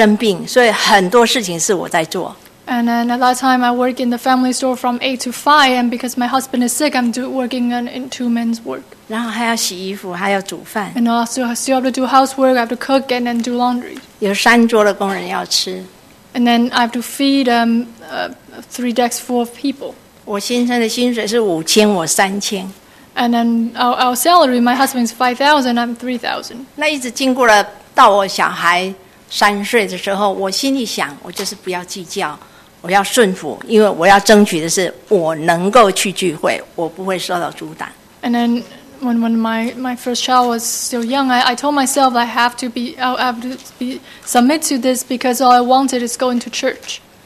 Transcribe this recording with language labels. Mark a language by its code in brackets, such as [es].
[zh] 然后我在这个店里面每天要做，从早上到8点到下午5点。然后我的先生当时生病，所以很多事情是我在做。 [en] And then at that time, I work in the family store from 8 to 5, and because my husband is sick, I'm working in two-man's work. [zh] 然后还要洗衣服，还要煮饭。 [en] And also, I still have to do housework, I have to cook, and then do laundry. [zh] 有3桌的工人要吃。And [en] then I have to feed 3 decks full of people. [zh] 我先生的薪水是5000，我3000。 [en] And then our salary, my husband is 5,000, I'm 3,000. [zh] 那一直经过了到我小孩3岁的时候，我心里想，我就是不要计较。我要顺服，因为我要争取的是我能够去聚会，我不会受到阻挡。 [en] And then when my first child was still young, I told myself I have to be submit to this because all I wanted is going to church.